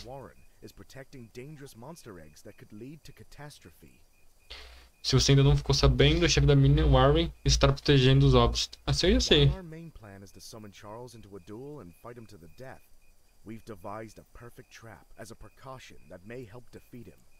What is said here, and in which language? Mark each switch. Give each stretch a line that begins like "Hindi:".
English: Warren
Portuguese: está protegendo
English: dangerous monster eggs that could lead to catastrophe.
Portuguese: Se você ainda não ficou sabendo, o chefe da mina, Warren, está protegendo os ovos. Assim eu já sei.
English: Charles into a duel and fight him to the death. We've devised a perfect trap as a precaution that may help defeat him.